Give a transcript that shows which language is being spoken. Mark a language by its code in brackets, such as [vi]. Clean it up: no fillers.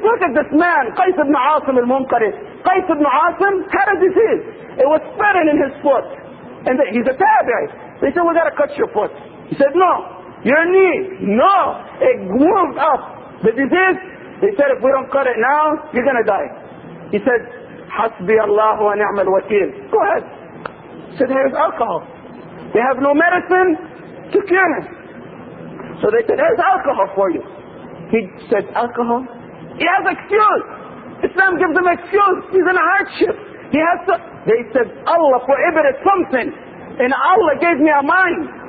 [en] Look at this man, Qais ibn Asim al-Munqari. Qais ibn Asim had a disease. It was spreading in his foot. And he's a tabi'i. They said, we got to cut your foot. He said, no. Your knee, no. It moved up. The disease, he said, if we don't cut it now, you're going to die. He said, [ar] حَسْبِيَ اللَّهُ وَنِعْمَ الْوَكِيلُ. [en] Go ahead. He said, here's alcohol. They have no medicine to cure him. So they said, here's alcohol for you. He said, alcohol? He has excuse. Islam gives him excuse. He's in a hardship. He has to... They said, Allah prohibited something. And Allah gave me a mind.